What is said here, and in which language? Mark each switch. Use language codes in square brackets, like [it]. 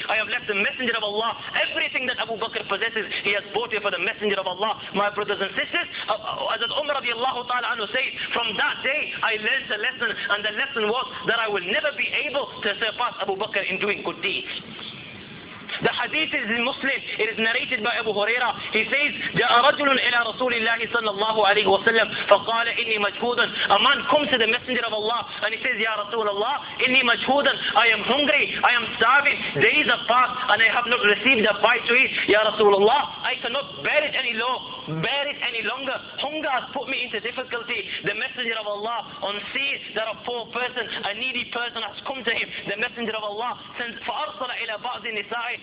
[en] I have left the Messenger of Allah. Everything that Abu Bakr possesses, he has bought it for the Messenger of Allah. My brothers and sisters, Hazrat Umar radiallahu ta'ala anhu says, from that day I learned a lesson, and the lesson was that I will never be able to surpass Abu Bakr in doing good deeds. The hadith is in Muslim. It is narrated by Abu Huraira. He says, [ar] جَاءَ رَجُلٌ إِلَىٰ رَسُولِ اللَّهِ صَلَّى اللَّهُ عَلَيْهِ وَسَلَّمْ فَقَالَ إِنِّي مَجْهُودٌ. [en] A man comes to the Messenger of Allah and he says, Ya Rasulullah, [ar] إِنِّي مَجْهُودٌ. [en] I am hungry, I am starving. Days have passed and I have not received a bite to eat. Ya Rasulullah, I cannot bear it any longer. Bear it any longer. Hunger has put me into difficulty. The Messenger of Allah, on seeing that a poor person, a needy person has come to him, the Messenger of Allah sends, [ar] فَأَرْسَلَ إِلَىٰ بَعْضِ النِّسَاءِ.